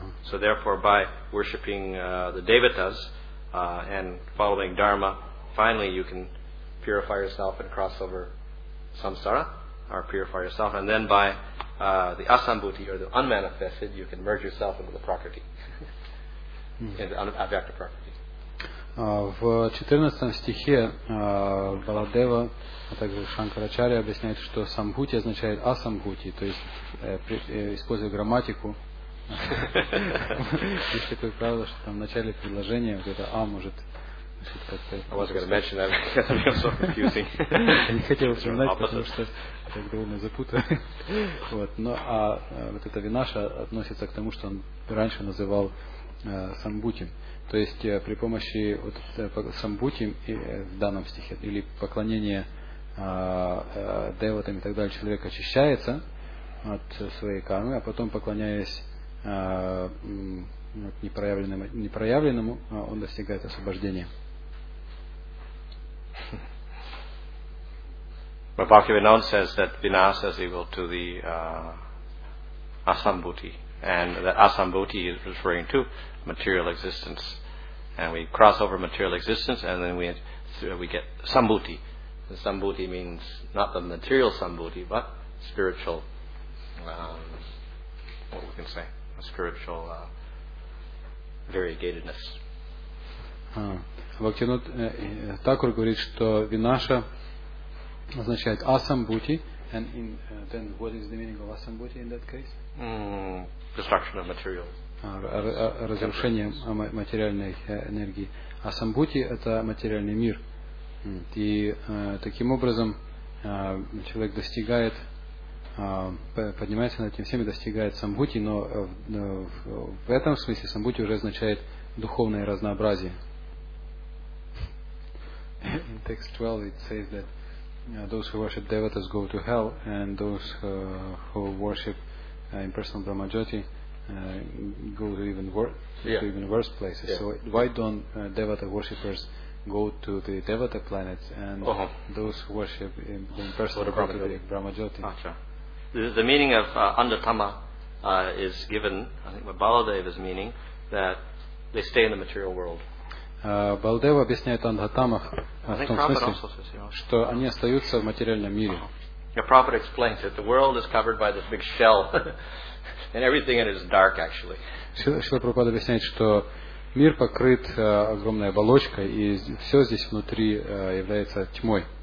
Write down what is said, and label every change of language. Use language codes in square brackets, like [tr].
[en] So therefore, by worshipping the devatas and following dharma, finally you can purify yourself and cross over samsara, or purify yourself, and then by the asambhuti or the unmanifested, you can merge yourself into the prakriti, in the avyakta prakriti. [ru] В 14 стихе Баладева, а также Шанкарачарья объясняет, что самбхути означает асамбхути, то есть используя грамматику. Есть такое правило, что там в начале предложения где-то а может. [en] I was going to mention that because it was so confusing. [ru] Не хотел упоминать, потому что это довольно запутано. Вот. Но а вот эта винаша относится к тому, что он раньше называл самбути. То есть при помощи вот самбути в данном стихе или поклонения деватам и так далее, человек очищается от своей кармы, а потом поклоняясь непроявленному, он достигает освобождения. [en] But Bhaktivinoda says that vinasa is equal to the asambhuti, and that asambhuti is referring to material existence, and we cross over material existence, and then we get sambhuti. And sambhuti means not the material sambhuti, but spiritual. What we can say, a spiritual variegatedness. [ru] Bhaktivinoda Thakur говорит, что vinasa означает асамбути. [en] And in, then what is the meaning of асамбути in that case? Destruction of material. [ru] Разрушение материальной энергии. Асамбути – это материальный мир. И таким образом человек достигает, поднимается над этим всем и достигает самбути, но в этом смысле самбути уже означает духовное разнообразие. [en] In text 12 it says that those who worship devatas go to hell, and those who worship impersonal brahmajyoti go to even to even worse places. Yeah. So why don't devata worshippers go to the devata planets, and those who worship impersonal brahmajyoti? The meaning of andatama is given, I think, by Baladeva's meaning, that they stay in the material world. [ru] Балдева объясняет андхатамах в том смысле, что они остаются в материальном мире. [en] The prophet explains it. The world is covered by this big shell, and everything in it is dark, actually. [ru] Шрила Прабхупада объясняет, что мир покрыт огромной оболочкой, и все здесь внутри является тьмой.